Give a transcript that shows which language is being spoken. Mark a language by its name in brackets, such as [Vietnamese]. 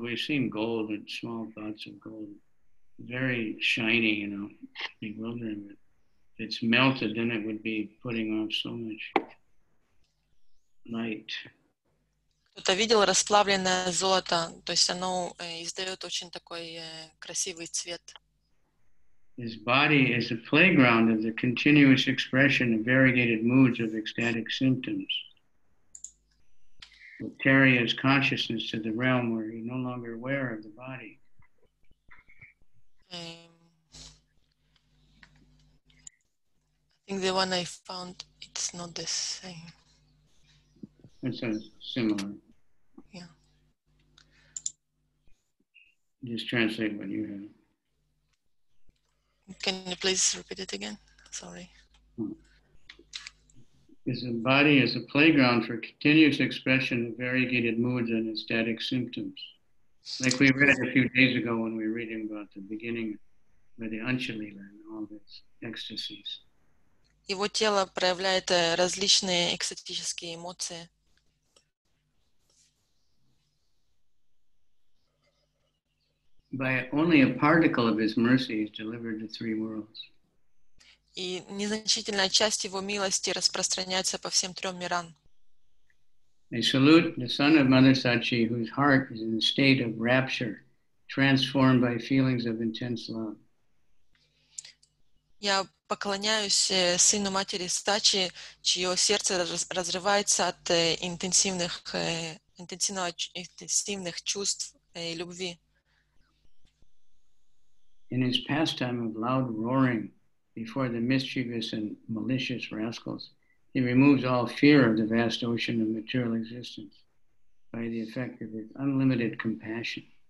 [English] We've seen gold and small pots of gold. Very shiny, you know, bewildering. But if it's melted, then it would be putting off so much light. [Russian] Кто-то видел расплавленное золото? То есть оно издает очень такой красивый цвет. [English] His body is a playground of the continuous expression of variegated moods of ecstatic symptoms. Will carry his consciousness to the realm where he's no longer aware of the body. I think the one I found, it's not the same. It sounds similar. Yeah. Just translate what you have. Can you please repeat it again? Sorry. His body is a playground for continuous expression of variegated moods and ecstatic symptoms. Like we read a few days ago when we were reading about the beginning with the Anchalila and all these ecstasies. [Russian] Его тело проявляет различные экстатические эмоции. [English] By only a particle of his mercy is delivered to three worlds. [Russian] И незначительная часть его милости распространяется по всем трем мирам. [English] I salute the son of Mother Sachi, whose heart is in a state of rapture, transformed by feelings of intense love. [Russian] Я поклоняюсь сыну матери Сачи, чье сердце разрывается от интенсивных чувств и любви. [English] In his pastime of loud roaring before the mischievous and malicious rascals, he removes all fear of the vast ocean of material existence by the effect of his unlimited compassion.